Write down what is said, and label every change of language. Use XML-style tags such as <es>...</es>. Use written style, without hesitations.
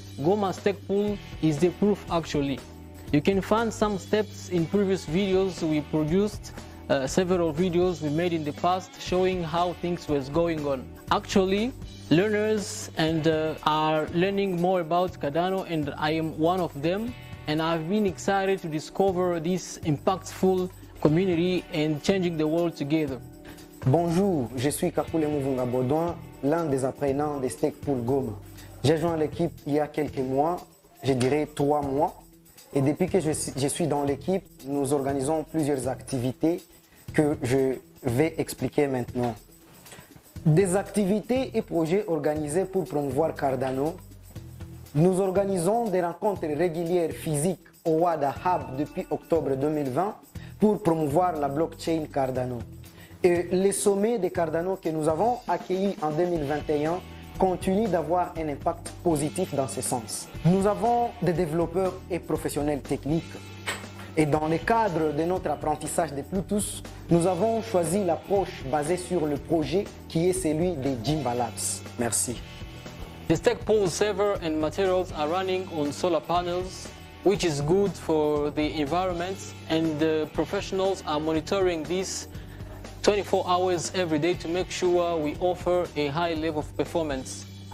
<en>GOMA's tech pool is the proof actually. You can find some steps in previous videos we produced, several videos we made in the past showing how things was going on. Actually, learners and are learning more about Cardano, and I am one of them, and I've been excited to discover this impactful community and changing the world together.</en> <fr>Bonjour, je suis Kakule Mouvunga Baudouin, l'un des apprenants de StakePool GOMA. J'ai joint l'équipe il y a quelques mois, je dirais 3 mois, et depuis que je suis dans l'équipe, nous organisons plusieurs activités que je vais expliquer maintenant. Des activités et projets organisés pour promouvoir Cardano. Nous organisons des rencontres régulières physiques au WADA Hub depuis octobre 2020. Pour promouvoir la blockchain Cardano. Et les sommets de Cardano que nous avons accueillis en 2021 continuent d'avoir un impact positif dans ce sens. Nous avons des développeurs et professionnels techniques. Et dans le cadre de notre apprentissage de Bluetooth, nous avons choisi l'approche basée sur le projet qui est celui des Jimba Labs. Merci.</fr> <en>The StakePool server and materials are running on solar panels, which is good for the environment, and the professionals are monitoring this 24 hours every day to make sure we offer a high level of performance.</en>